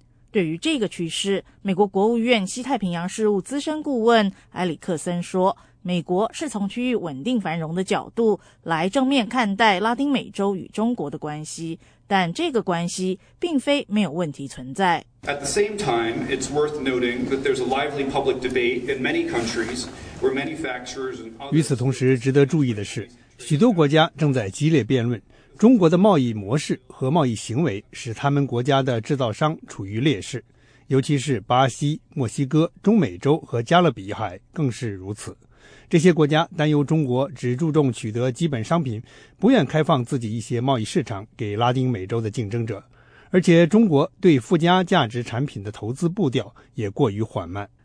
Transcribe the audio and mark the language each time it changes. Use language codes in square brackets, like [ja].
[zh] 对于这个趋势，美国国务院西太平洋事务资深顾问埃里克森说，美国是从区域稳定繁荣的角度来正面看待拉丁美洲与中国的关系，但这个关系并非没有问题存在。 [en] At the same time, it's worth noting that there's a lively public debate in many countries where manufacturers and others. [zh] 与此同时，值得注意的是，许多国家正在激烈辩论中国的贸易模式和贸易行为使他们国家的制造商处于劣势，尤其是巴西、墨西哥、中美洲和加勒比海更是如此。这些国家担忧中国只注重取得基本商品，不愿开放自己一些贸易市场给拉丁美洲的竞争者，而且中国对附加价值产品的投资步调也过于缓慢。